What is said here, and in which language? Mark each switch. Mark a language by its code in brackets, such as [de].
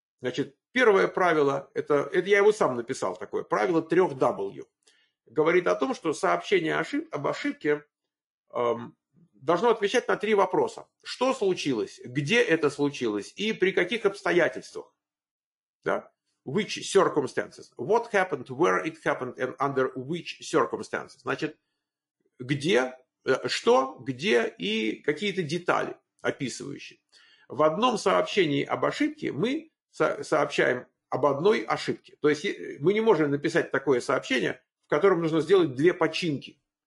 [ru] Значит, первое правило, это я его сам написал такое, правило 3W. Говорит о том, что сообщение об ошибке должно отвечать на 3 вопроса. Что случилось, где это случилось и при каких обстоятельствах? [en] Да? Which circumstances? What happened, where it happened and under which circumstances? [ru] Значит, где, что, где и какие-то детали описывающие. В одном сообщении об ошибке мы сообщаем об одной ошибке. То есть мы не можем написать такое сообщение, в котором нужно сделать 2 починки.